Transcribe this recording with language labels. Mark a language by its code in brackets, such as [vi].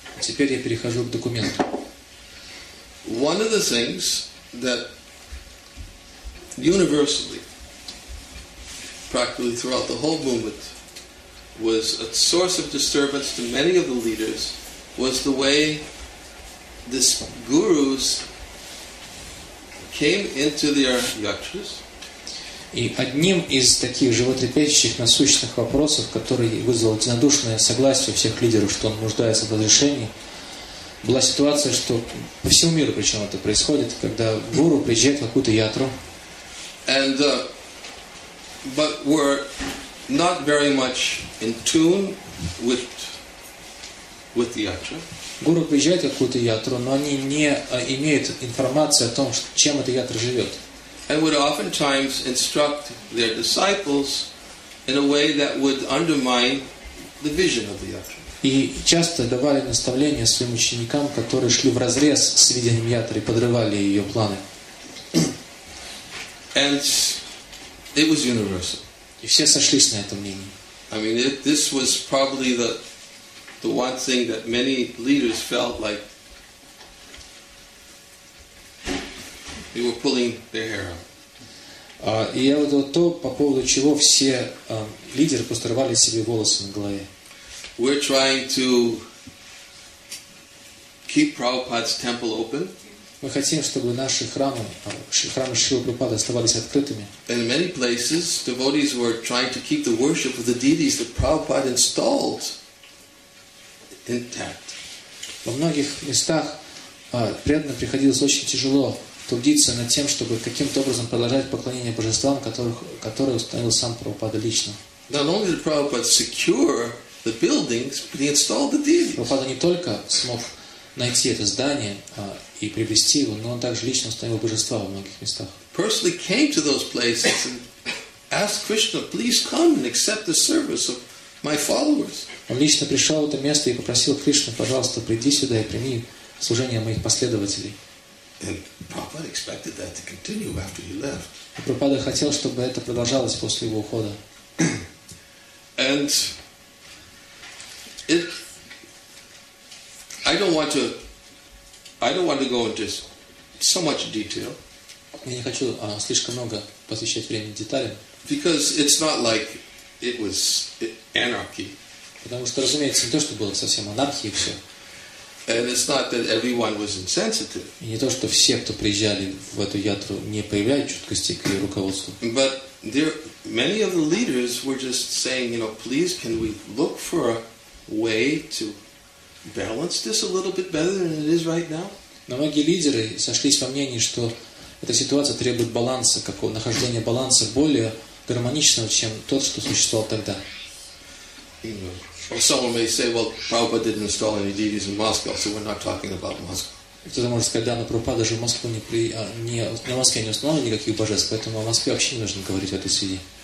[ru] Теперь я перехожу к документу. [en] One of the things that universally, practically throughout the whole movement, was a source of disturbance to many of the leaders, was the way these gurus came into their yakshas. [ru] И одним из таких животрепещущих насущных вопросов, который вызвал единодушное согласие всех лидеров, что он нуждается в разрешении, была ситуация, что по всему миру причем это происходит, когда гуру приезжает в какую-то ятру. [en] And but were not very much in tune with the yatra. [ru] Гуру приезжает в какую-то ятру, но они не имеют информации о том, чем эта ятра живет. [en] And would oftentimes instruct their disciples in a way that would undermine the vision of the yatra. [ru] И часто давали наставления своим ученикам, которые шли в разрез с видением ятры, подрывали ее планы. [en] And it was universal. [ru] И все сошлись на этом мнении. [en] I mean, this was probably the one thing that many leaders felt like they were pulling their hair out. [ru] И это то, по поводу чего все лидеры просто рвали себе волосы на голове. [en] We're trying to keep Prabhupada's temple open. [ru] Мы хотим, чтобы наши храмы Шрилы Прабхупады оставались открытыми. [en] In many places, devotees were trying to keep the worship of the deities that Prabhupada installed intact. [ru] Во многих местах преданным приходилось очень тяжело трудиться над тем, чтобы каким-то образом продолжать поклонение божествам, которые установил сам Прабхупада лично. [en] Not only did Prabhupada secure the buildings, but he installed the deities. [ru] Прабхупада не только смог найти это здание и приобрести его, но он также лично установил божества во многих местах. [en] Personally came to those places and asked Krishna, please come and accept the service of my followers. [ru] Он лично пришел в это место и попросил Кришну, пожалуйста, приди сюда и прими служение моих последователей. [en] And Prabhupada expected that to continue after he left. [ru] И Прабхупада хотел, чтобы это продолжалось после его ухода. [en] And it I don't want to go into so much detail. [ru] Я не хочу слишком много посвящать времени деталям. [en] Because it's not like it was anarchy. [ru] Потому что, разумеется, не то, что было совсем анархией все. [en] And it's not that everyone was insensitive. [ru] И не то, что все, кто приезжали в эту ятру, не проявляли чуткости к ее руководству. [en] But there many of the leaders were just saying, you know, please, can we look for a way to balance this a little bit better than it is right now. [ru] Но многие лидеры сошлись во мнении, что эта ситуация требует баланса, какого нахождения баланса более гармоничного, чем тот, что существовал тогда. [en] Someone may say, well, Prabhupada didn't install any deities in Moscow, so we're not talking about Moscow. [ru] Кто-то может сказать, да, но Прабхупада же в Москву не при... А, не, на Москве не установлено никаких божеств, поэтому в Москве вообще не нужно говорить в этой связи.